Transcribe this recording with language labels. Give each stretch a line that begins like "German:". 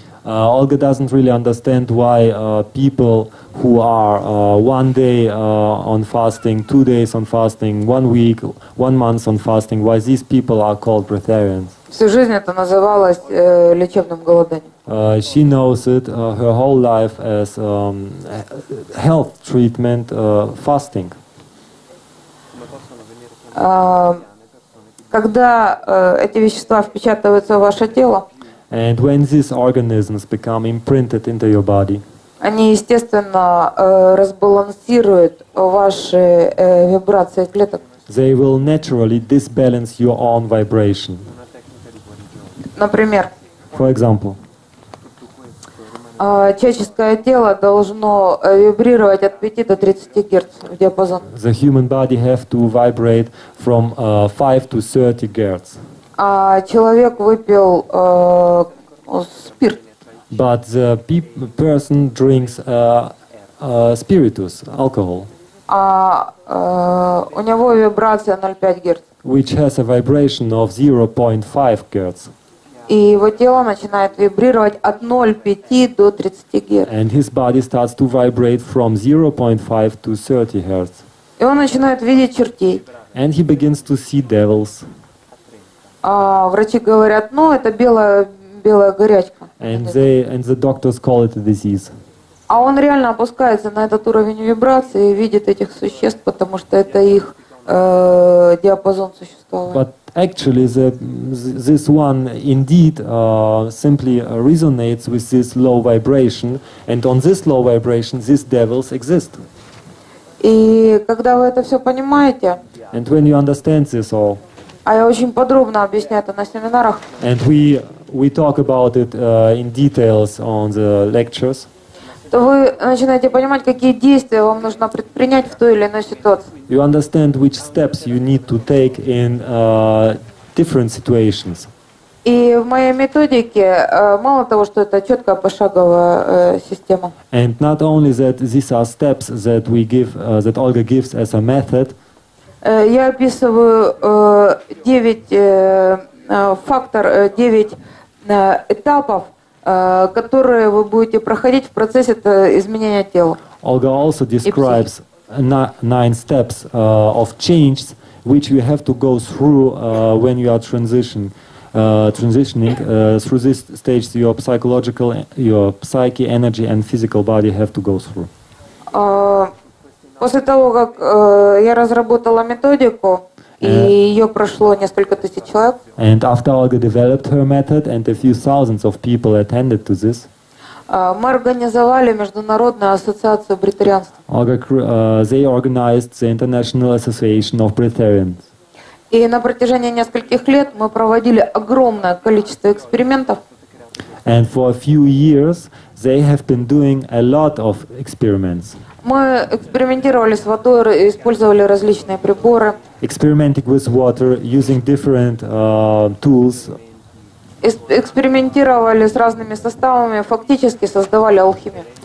English: Olga doesn't really understand why people who are one day on fasting, 2 days on fasting, 1 week, 1 month on fasting, why these people are called breatharians.
Russian: Всю жизнь это называлось лечебным голоданием.
English: She knows it her whole life as health treatment, fasting.
Russian: Когда эти вещества впечатываются в ваше тело,
English: and when these organisms become imprinted into your body,
Russian: они, естественно, разбалансируют ваши вибрации клеток.
English: They will naturally disbalance your own vibration.
Russian: Например.
English: For example.
Russian: Человеческое тело должно вибрировать от 5 до 30 Гц в диапазон.
English: The human body has to vibrate from 5 to 30 Гц.
Russian: А человек выпил спирт.
English: But the person drinks spiritus, alcohol.
Russian: А у него вибрация 0,5 Гц.
English: Which has a vibration of 0.5 Гц.
Russian: И его тело начинает вибрировать от 0,5 до 30 Гц.
English: And his body starts to vibrate from 0.5 to 30 Hz.
Russian: И он начинает видеть чертей.
English: And he begins to see devils.
Russian: Врачи говорят, ну это белая горячка.
English: And the doctors call it a disease.
Russian: А он реально опускается на этот уровень вибрации и видит этих существ, потому что это их диапазон существования.
English: But actually, this one indeed simply resonates with this low vibration, and on this low vibration, these devils exist.
Russian: И когда вы это все понимаете,
English: and when you understand this all,
Russian: а я очень подробно объясняю это на семинарах,
English: and we talk about it in details on the lectures,
Russian: то вы начинаете понимать, какие действия вам нужно предпринять в той или иной ситуации.
English: You understand which steps you need to take in different situations.
Russian: И в моей методике мало того, что это четкая пошаговая система.
English: And not only that, these are steps that we give, that Olga gives as a method.
Russian: Я описываю 9 этапов, которые вы будете проходить в процессе изменения тела.
English: Olga also describes 9 steps of change, which you have to go through when you are transitioning through this stage, your psychological, your psyche, energy, and physical body have to go through.
Russian: После того, как я разработала методику, и ее прошло несколько тысяч человек.
English: And after Olga developed her method, and a few thousands of people attended to this.
Russian: Мы организовали международную ассоциацию бретарианства.
English: Olga, they organized the International Association of Bretarians.
Russian: И на протяжении нескольких лет мы проводили огромное количество экспериментов.
English: And for a few years, they have been doing a lot of experiments.
Russian: Мы экспериментировали с водой, использовали различные приборы.
English: Experimenting with water, using different tools.
Russian: Экспериментировали с разными составами, фактически создавали алхимию.